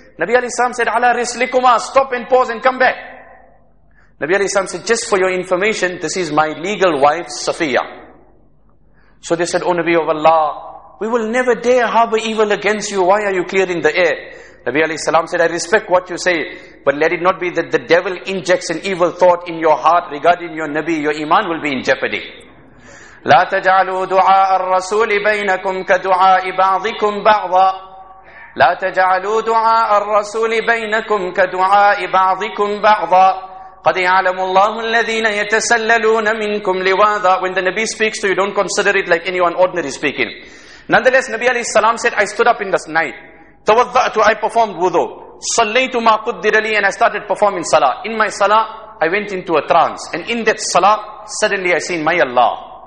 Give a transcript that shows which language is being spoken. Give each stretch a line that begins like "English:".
English: Nabi alayhi salam said,
Arabic: ala rislikuma,
English: stop and pause and come back. Nabi alayhi salam said, just for your information, this is my legal wife Safiya. So they said, oh Nabi of Allah, we will never dare harbor evil against you. Why are you clearing the air? Nabi alayhi salam said, I respect what you say, but let it not be that the devil injects an evil thought in your heart regarding your Nabi. Your iman will be in jeopardy.
Arabic: لا تجعلوا دعاء الرسول بينكم كدعاء بعضكم بعضا. لا تجعلوا دعاء الرسول بينكم كدعاء بعضكم بعضا. قد يعلم الله الذين يتسللون منكم لواذا.
English: When the Nabi speaks to you, don't consider it like anyone ordinary speaking. Nonetheless, Nabi alayhi salam said, I stood up in the night. Tawadda'tu, I performed wudu.
Arabic: Sallaytu ma quddira li,
English: and I started performing salah. In my salah, I went into a trance. And in that salah, suddenly I seen my Allah.